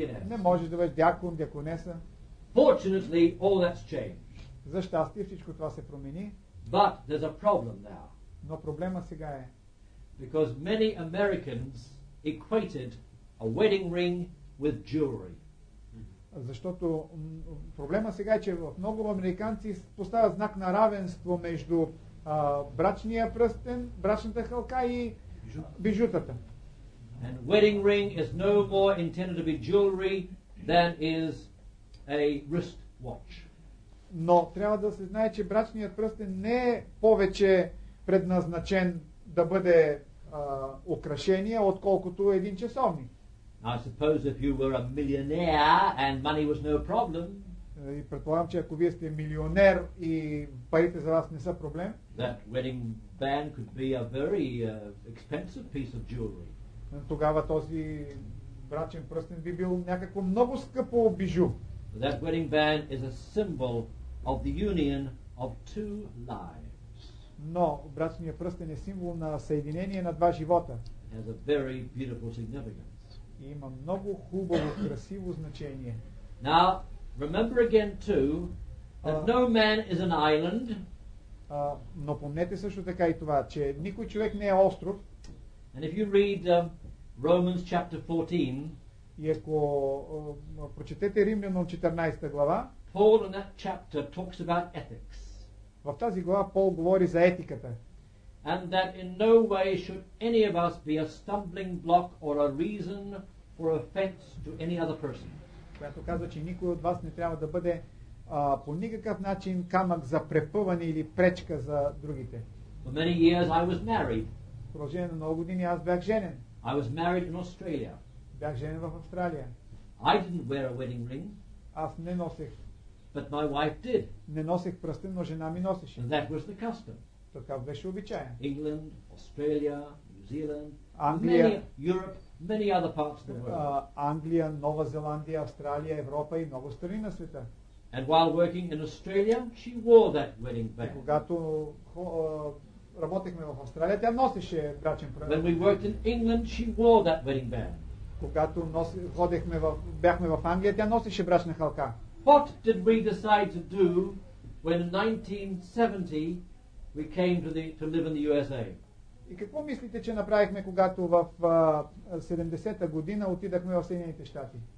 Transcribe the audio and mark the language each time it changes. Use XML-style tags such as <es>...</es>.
<bg>Не можеш да бъдеш диакон, диаконеса.</bg> <en>Fortunately, all that's changed.</en> <bg>За щастие всичко това се промени.</bg> <en>But there's a problem now.</en> <bg>Но проблема сега е.</bg> <en>Because many Americans equated a wedding ring with jewelry.</en> <bg>Защото проблема сега е, че много американци поставят знак на равенство между брачния пръстен, брачната халка и бижутата.</bg> <en>And wedding ring is no more intended to be jewelry than is a wrist watch.</en> <bg>Но трябва да се знае, че брачният пръстен не е повече предназначен да бъде украшение, отколкото един часовник.</bg> <en>I suppose if you were a millionaire and money was no problem.</en> <bg>И предполагам, че ако вие сте милионер и парите за вас не са проблем,</bg> <en>that wedding band could be a very expensive piece of jewelry.</en> <bg>Тогава този брачен пръстен би бил някакво много скъпо бижу.</bg> <en>That wedding band is a symbol of the union of two lives.</en> <bg>Но брачният пръстен е символ на съединение на два живота.</bg> <en>It has a very beautiful significance.</en> <bg>И има много хубаво, красиво значение.</bg> <en>Now, remember again too that no man is an island.</en> <bg>Но помнете също така и това, че никой човек не е остров.</bg> <en>And if you read Romans chapter 14,</en> <bg>и ако прочетете Римлянам 14 глава,</bg> <en>Paul in that chapter talks about ethics.</en> <bg>В тази глава Пол говори за етиката.</bg> <en>And that in no way should any of us be a stumbling block or a reason for offense to any other person.</en> <bg>Която казва, че никой от вас не трябва да бъде по никакъв начин камък за препъване или пречка за другите.</bg> <en>For many years I was married.</en> <bg>В продължение на много години аз бях женен.</bg> <en>I was married in Australia.</en> <bg>Бях женен в Австралия.</bg> <en>I didn't wear a wedding ring.</en> <bg>Аз не носех.</bg> <en>But my wife did.</en> <bg>Не носех пръстен, но жена ми носеше.</bg> <en>And that was the custom.</en> <bg>Такъв беше обичая.</bg> <en>England, Australia, New Zealand,</en> <bg>Англия,</bg> <en>many, Europe, many other parts of the world.</en> <bg>Англия, Нова Зеландия, Австралия, Европа и много страни на света.</bg> <en>And while working in Australia, she wore that wedding band.</en> <bg>Когато работехме в Австралия, тя носеше брачен пръстен.</bg> <en>When we worked in England, she wore that wedding band.</en> <bg>Когато бяхме в Англия, тя носеше брачна халка.</bg> <en>What did we decide to do when in 1970 we came to live in the USA?</en> <bg>И какво мислите, че направихме, когато в 70-та година отидахме в Съединените щати?</bg>